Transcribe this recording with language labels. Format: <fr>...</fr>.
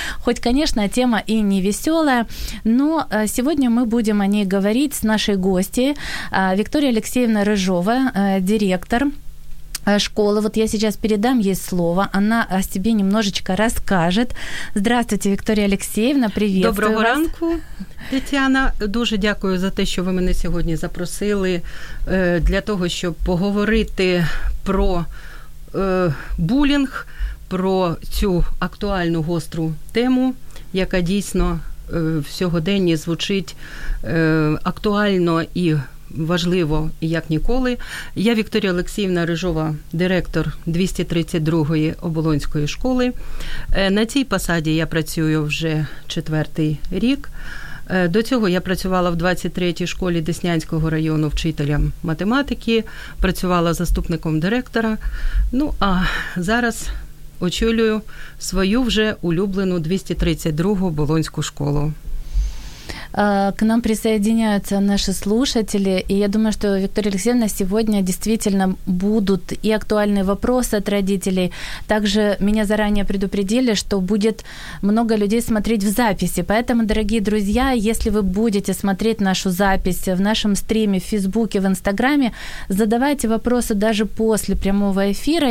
<ru>Хоть, конечно, тема и не веселая, но сегодня мы будем о ней говорить с нашей гостьей Викторией Алексеевной Рыжовой, директор школы. Вот я сейчас передам ей слово, она о себе немножечко расскажет. Здравствуйте, Виктория Алексеевна, приветствую</ru> <uk>Доброго</uk> <ru>вас.</ru> <uk>Ранку, Тетяна. Дуже дякую за те, що ви мене сьогодні запросили для того, щоб поговорити про булінг, про цю актуальну гостру тему, яка дійсно в сьогоденні звучить актуально і важливо, як ніколи. Я Вікторія Олексіївна Рижова, директор 232-ї Оболонської школи. На цій посаді я працюю вже четвертий рік. До цього я працювала в 23-й школі Деснянського району вчителем математики, працювала заступником директора. Ну, а зараз очолюю свою вже улюблену 232-гу Болонську школу.</uk> <ru>К нам присоединяются наши слушатели, и я думаю, что Виктория Алексеевна сегодня действительно будут и актуальные вопросы от родителей. Также меня заранее предупредили, что будет много людей смотреть в записи. Поэтому, дорогие друзья, если вы будете смотреть нашу запись в нашем стриме в Фейсбуке, в Инстаграме, задавайте вопросы даже после прямого эфира.</ru>